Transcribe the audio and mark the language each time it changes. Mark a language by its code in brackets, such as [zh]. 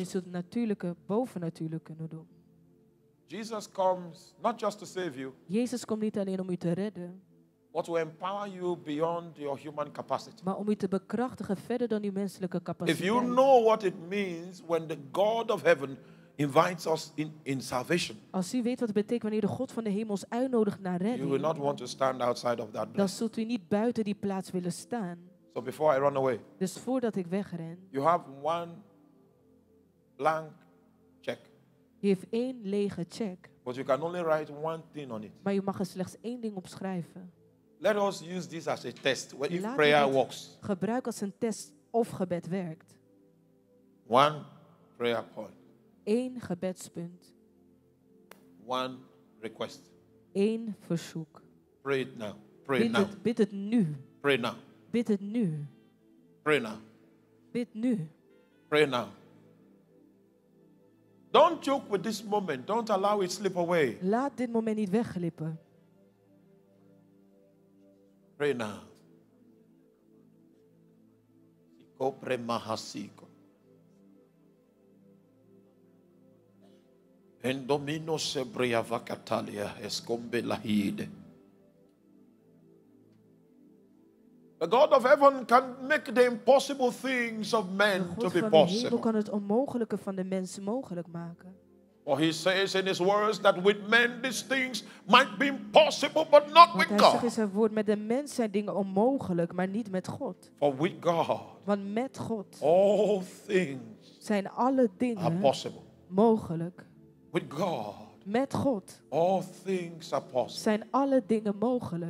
[nl] En u zult het natuurlijke bovennatuurlijk kunnen doen. [en] Jesus comes not just to save you. [nl] Jezus komt niet alleen om u te redden. [en] What will empower you beyond your human capacity? [nl] Maar om u te bekrachtigen verder dan uw menselijke capaciteit. [en] If you know what it means when the God of heaven invites us in salvation. [nl] Als u weet wat het betekent wanneer de God van de hemel ons uitnodigt naar redding. [en] You will not want to stand outside of that [nl] place. Dan zult u niet buiten die plaats willen staan. [en] So before I run away. [nl] Dus voordat ik wegren. [en] You have one blank check. [nl] Je hebt één lege check. [en] But you can only write one thing on it. [nl] Maar je mag er slechts één ding op schrijven. [en] Let us use this as a test where if prayer works. [nl] Gebruik als een test of gebed werkt. [en] One prayer point. [nl] Eén gebedspunt. [en] One request. [nl] Eén verzoek. [en] Pray it now. Pray it now. [nl] Bid het nu. [en] Pray now. [nl] Bid het nu. [en] Pray now. [nl] Bid nu. [en] Pray now. Don't joke with this moment. Don't allow it slip away. [nl] Laat dit moment niet wegglippen. [en] Pray now. Ikopre mahasiko. Endomino sebria vakatalia escombe lahide. The God of heaven can make the impossible things of men to be possible. [nl] De God van de hemel kan het onmogelijke van de mens mogelijk maken. [en] For he says in his words that with men these things might be impossible, but not with God. [nl] Hij zegt in zijn woord, met de mens zijn dingen onmogelijk, maar niet met God. [en] For with God. [nl] Want met God. [en] All things. [nl] Zijn alle dingen. [en] Are possible. [nl] Mogelijk. [en] With God. [nl] Met God. [en] All things are possible. [nl] Zijn alle dingen mogelijk.